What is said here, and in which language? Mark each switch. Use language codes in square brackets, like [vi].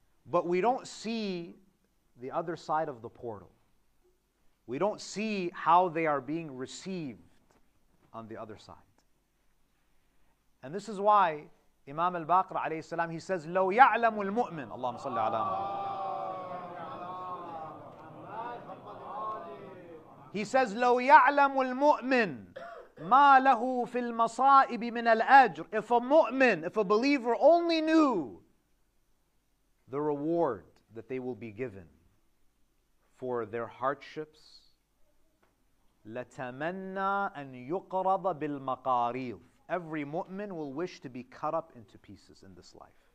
[en] But we don't see the other side of the portal. We don't see how they are being received on the other side. And this is why Imam al-Baqir alayhi salam, he says, [ar] لو يعلم المؤمن, اللهم صل على محمد. [en] He says, [ar] لو يعلم المؤمن ما له في المصائب من الأجر. [en] If a mu'min, if a believer only knew the reward that they will be given for their hardships, [ar] لَتَمَنَّا أَن يُقْرَضَ بِالْمَقَارِيضِ. [en] Every mu'min will wish to be cut up into pieces in this life.